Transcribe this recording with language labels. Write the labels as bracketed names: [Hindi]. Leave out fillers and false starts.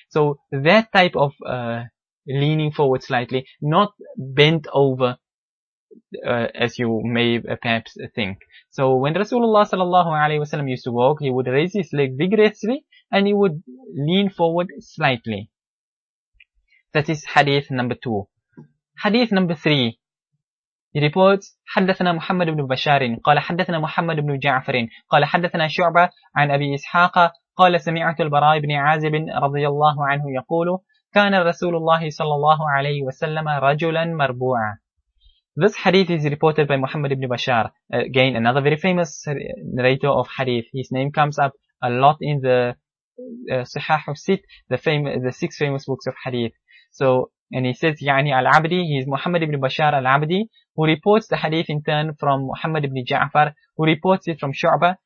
[English] So that type of leaning forward slightly, not bent over as you may perhaps think. So when Rasulullah sallallahu alayhi wa sallam used to walk, he would raise his leg vigorously and he would lean forward slightly. That is hadith number 2. Hadith number 3. He reports, [Arabic] حدثنا محمد بن بشار قال حدثنا محمد بن جعفر قال حدثنا شعبة عن أبي إسحاق قال سمعت البراء بن عازب رضي الله عنه يقول كان رسول الله صلى الله عليه وسلم رجلا مربوعا. [English] This hadith is reported by Muhammad ibn Bashar. Again, another very famous narrator of hadith. His name comes up a lot in the Sahih al-Sitt, the six famous books of hadith. So, and he says, [Arabic] يعني العبدي, [English] he is Muhammad ibn Bashar al-Abdi, who reports the hadith in turn from Muhammad ibn Ja'far, who reports it from Shu'bah.